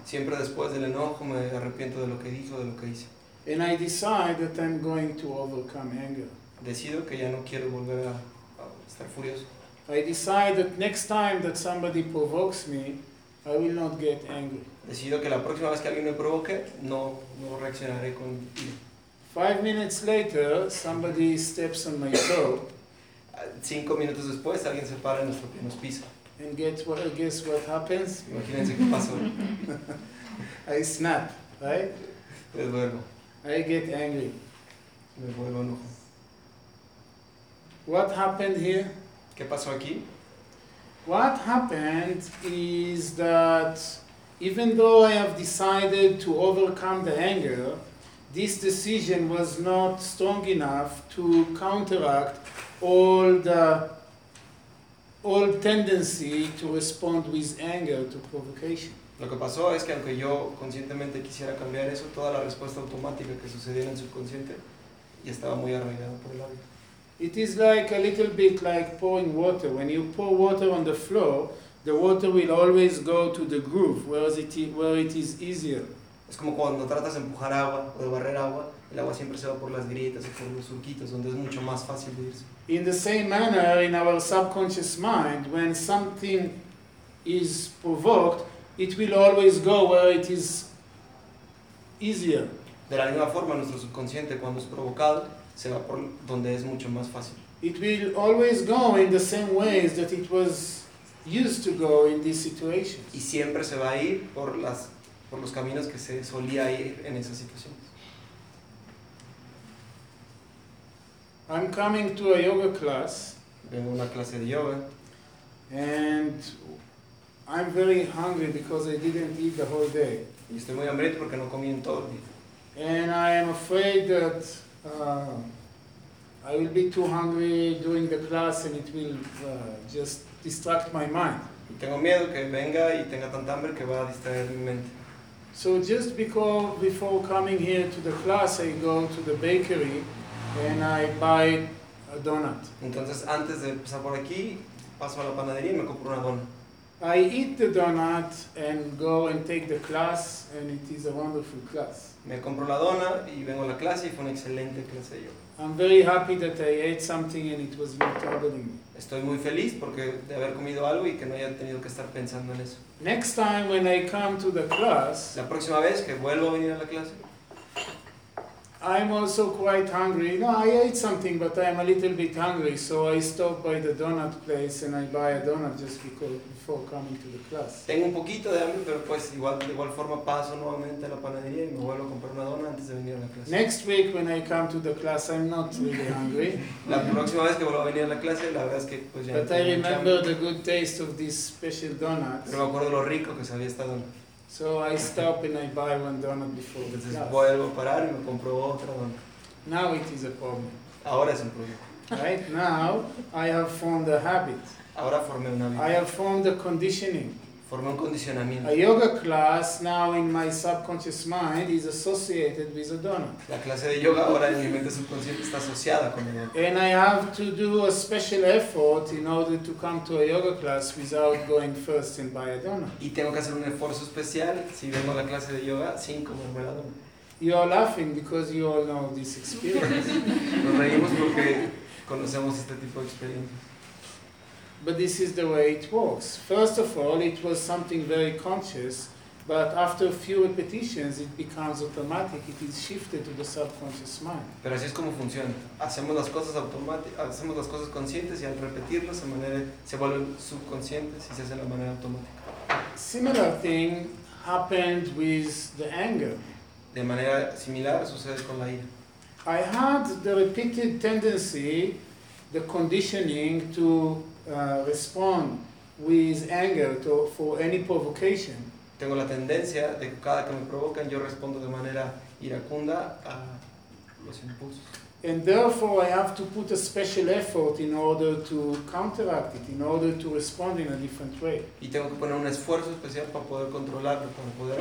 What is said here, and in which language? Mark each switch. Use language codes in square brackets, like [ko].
[es] Siempre después del enojo me arrepiento de lo que dije o de lo que hice. [en] And I decide that I'm going to overcome anger. [es] Decido que ya no quiero volver a estar furioso. [en] I decide that next time that somebody provokes me, I will not get angry. [es] Decido que la próxima vez que alguien me provoque, no reaccionaré con ira. [en] 5 minutes later, somebody steps on my toe. [es] 5 minutos después, alguien se para en nuestro pie, nos pisa. [en] And guess what happens? [es] Imagínense qué pasó. [en] I snap, right? [es] Me vuelvo. [en] I get angry. [es] Me vuelvo enojo. [en] What happened here? [es] ¿Qué pasó aquí? [en] What happened is that even though I have decided to overcome the anger, this decision was not strong enough to counteract all tendency to respond with anger to provocation. [es] Lo que pasó es que aunque yo conscientemente quisiera cambiar eso, toda la respuesta automática que sucedía en el subconsciente y estaba muy arraigado por el hábito. [en] It is like a little bit like pouring water. When you pour water on the floor, the water will always go to the groove where it is easier. [es] Es como cuando tratas de empujar agua o de barrer agua, el agua siempre se va por las grietas o por los surquitos donde es mucho más fácil de irse. [en] In the same manner, in our subconscious mind, when something is provoked, it will always go where it is easier. [es] De la misma forma, nuestro subconsciente cuando es provocado se va por donde es mucho más fácil. [en] It will always go in the same ways that it was used to go in these situations. [es] Y siempre se va a ir por los caminos que se solía ir en esas situaciones. [en] I'm coming to a yoga class. [es] Vengo a una clase de yoga. [en] And I'm very hungry because I didn't eat the whole day. [es] Y estoy muy hambriento porque no comí en todo el día. [en] And I am afraid that I will be too hungry during the class and it will just distract my mind. [es] Y tengo miedo que venga y tenga tanta hambre que va a distraer mi mente. [en] So just before coming here to the class, I go to the bakery and I buy a donut. [es] Entonces antes de pasar por aquí, paso a la panadería y me compro una dona. [en] I eat the donut and go and take the class and it is a wonderful class. [es] Me compro la dona y vengo a la clase y fue una excelente clase de yoga. [en] I'm very happy that I ate something and it was not troubling me. [es] Estoy muy feliz porque de haber comido algo y que no haya tenido que estar pensando en eso. [en] Next time when I come to the class, [es] la próxima vez que vuelvo a venir a la clase, [en] I'm also quite hungry. No, I ate something, but I'm a little bit hungry, so I stop by the donut place and I buy a donut just before coming to the class. [es] Tengo un poquito de hambre, pero pues igual forma paso nuevamente a la panadería y me vuelvo a comprar una dona antes de venir a la clase. [en] Next week when I come to the class, I'm not really hungry. [es] La próxima vez que vuelvo a venir a la clase, la verdad es que pues ya. [en] But I remember the good taste of this special donut. [es] Pero me acuerdo lo rico que sabía esta dona. [en] So I stop and I buy one donut before the class. [es] Entonces vuelvo a parar y me compro otra donut. [en] Now it is a problem. [es] Ahora es un problema. [en] Right? Now I have formed a habit. [es] Ahora formé un hábito. [en] I have formed a conditioning. [es] Formé un condicionamiento. [en] A yoga class now in my subconscious mind is associated with a donut. [es] La clase de yoga ahora en mi mente subconsciente está asociada con el donut. [en] And I have to do a special effort in order to come to a yoga class without going first and buy a donut. [es] Y tengo que hacer un esfuerzo especial si vengo a la clase de yoga sin comerme la donut. [en] You are laughing because you all know this experience. [es] Nos reímos porque conocemos este tipo de experiencias. [en] But this is the way it works. First of all, it was something very conscious, but after a few repetitions, it becomes automatic. It is shifted to the subconscious mind. [es] Pero así es como funciona. Hacemos las cosas conscientes y al repetirlas se vuelven subconscientes y se hace de manera automática. [en] Similar thing happened with the anger. [es] De manera similar sucede con la ira. [en] I had the repeated tendency, the conditioning to respond with anger for any provocation. [es] Tengo la tendencia de que cada que me provocan yo respondo de manera iracunda a los impulsos. [en] And therefore I have to put a special effort in order to counteract it, in order to respond in a different way. [es] Y tengo que poner un esfuerzo especial para poder controlarlo, para poder